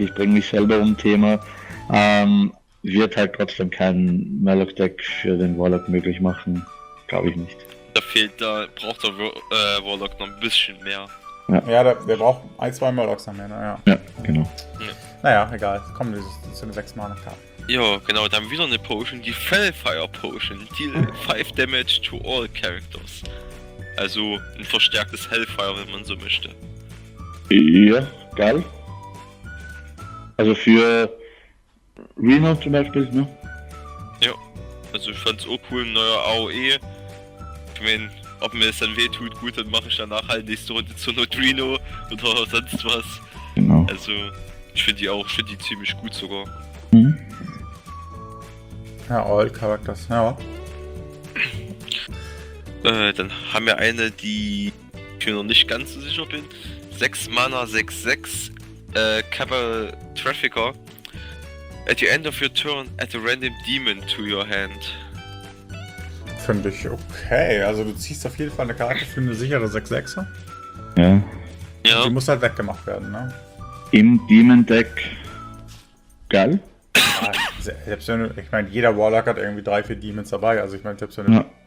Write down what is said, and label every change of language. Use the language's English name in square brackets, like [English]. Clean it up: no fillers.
[German] Ich bringe mich selber um Thema. Wird halt trotzdem kein Murloc Deck für den Warlock möglich machen. Glaube ich nicht. Da braucht der Warlock noch ein bisschen mehr. Ja, der braucht ein, zwei Murlocs noch mehr, ne? Ja. Ja, genau. Ja. Naja, egal. Komm, das ist eine 6 Mana Karte. Jo, genau. Dann wieder eine Potion, die Fellfire Potion. [English] Deal 5 Damage to all Characters. [German] Also ein verstärktes Hellfire, wenn man so möchte. Ja, geil. Also für Reno zum Beispiel, ne? Ja. Also ich fand's auch cool, ein neuer AOE. Ich meine, ob mir das dann wehtut, gut, dann mache ich danach halt nächste Runde zu Neutrino oder sonst was. Genau. Also, ich finde die auch, finde die ziemlich gut sogar. Ja, [English] all Characters, [German] ja. Dann haben wir eine, die ich mir noch nicht ganz so sicher bin. 6 Mana 6-6 Cabal Trafficker. [English] At the end of your turn, add a random demon to your hand. [German] Finde ich okay, also du ziehst auf jeden Fall eine Karte für eine sichere 6-6er. Ja. Ja. Die muss halt weggemacht werden, ne? Im Demon-Deck. Geil. Ja, ich meine, jeder Warlock hat irgendwie 3-4 Demons dabei, also ich meine, selbst wenn